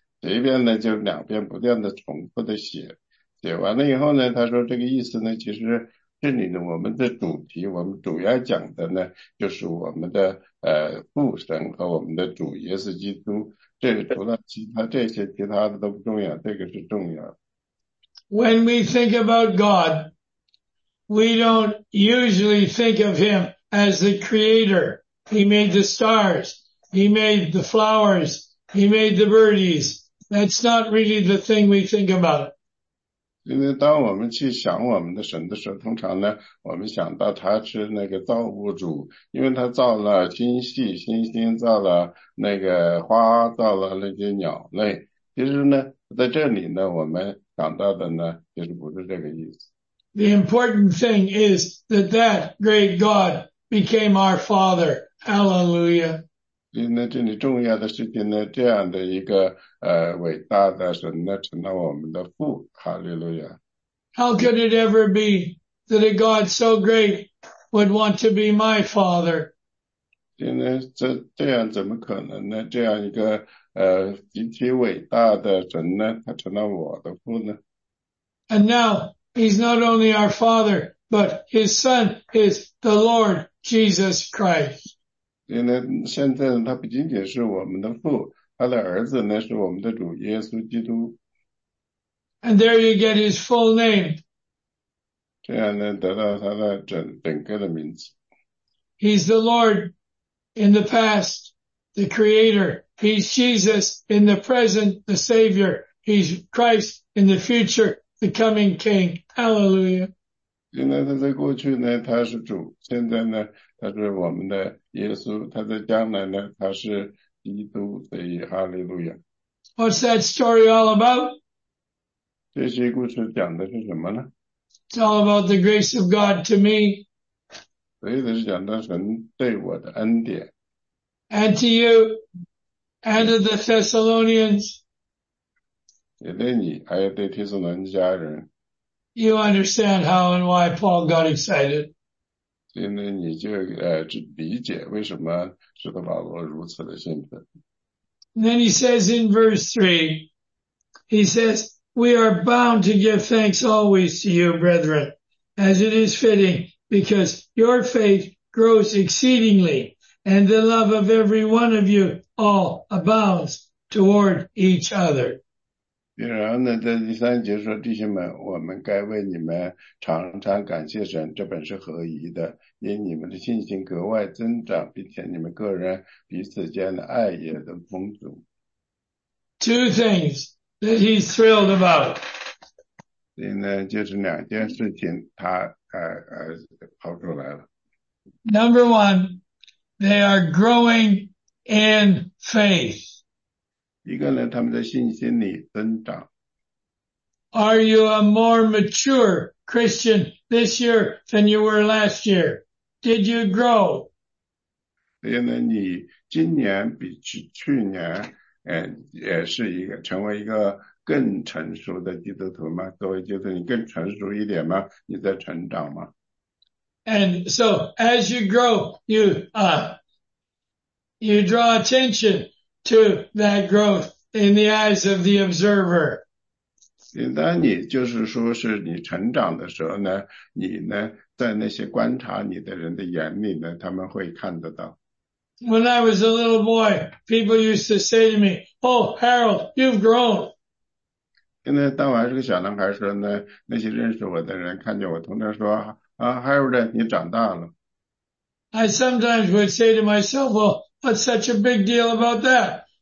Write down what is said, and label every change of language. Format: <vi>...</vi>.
<zh>写一遍呢，就是两遍不断的重复的写。写完了以后呢，他说这个意思呢，其实这里呢，我们的主题，我们主要讲的呢，就是我们的父神和我们的主耶稣基督。这个除了其他这些，其他的都不重要，这个是重要。</zh> <en>When we think about God, we don't usually think of Him as the Creator. He made the stars. He made the flowers. He made the birdies. That's not really the thing we think about.</en> <zh>因为当我们去想我们的神的时候，通常呢，我们想到他是那个造物主，因为他造了星系、星星，造了那个花，造了那些鸟类。其实呢，在这里呢，我们想到的呢，其实不是这个意思。</zh> <en>The important thing is that that great God became our Father. Hallelujah.</en> <zh>因为这里重要的事情呢，这样的一个伟大的神呢，成了我们的父，哈利路亚。</zh> <en>How could it ever be that a God so great would want to be my father?</en> <zh>因为这样怎么可能呢？这样一个极其伟大的神呢，他成了我的父呢</zh> <en>？And now he's not only our father, but his son is the Lord Jesus Christ.</en> <zh>因为现在他不仅仅是我们的父，他的儿子呢是我们的主耶稣基督。</zh> <en>And there you get his full name.</en> <zh>这样呢得到他的整个的名字。</zh> <en>He's the Lord in the past, the Creator. He's Jesus in the present, the Savior. He's Christ in the future, the coming King. Hallelujah.</en> <zh>现在他在过去呢，他是主；现在呢，他是我们的耶稣；他在将来呢，他是基督。所以，哈利路亚。</zh> <en>What's that story all about?</en> <zh>这些故事讲的是什么呢</zh> <en>？It's all about the grace of God to me.</en> <zh>所以，这是讲到神对我的恩典。</zh> <en>And to you, and to the Thessalonians.</en> <zh>也对你，还有对提撒罗尼迦人。</zh> <en>You understand how and why Paul got excited.</en> <zh>现在你就理解为什么使徒保罗如此的兴奋。</zh> <en>Then he says in verse 3, he says, We are bound to give thanks always to you, brethren, as it is fitting, because your faith grows exceedingly, and the love of every one of you all abounds toward each other.</en> <zh>然后呢，在第三节说，弟兄们，我们该为你们常常感谢神，这本是合宜的，因你们的信心格外增长，并且你们个人彼此间的爱也都丰足。</zh> <en>two things that he's thrilled about.</en> <zh>所以呢，就是两件事情他抛出来了。</zh> <en>Number one, they are growing in faith.</en> <zh>一个呢，他们在信心里增长。</zh> <en>Are you a more mature Christian this year than you were last year? Did you grow?</en> <zh>所以呢，你今年比去年，也是一个成为一个更成熟的基督徒吗？各位基督徒，你更成熟一点吗？你在成长吗？</zh> <en>And so as you grow, you draw attention to that growth in the eyes of the observer.</en> <zh>当你就是说是你成长的时候呢，你呢在那些观察你的人的眼里呢，他们会看得到。</zh> <en>When I was a little boy, people used to say to me, "Oh, Harold, you've grown."</en> <zh>现在当我还是个小男孩说呢，那些认识我的人看见我，通常说啊 ，Harold， 你长大了。</zh> <en>I sometimes would say to myself, "Well, what's such a big deal about that?</en>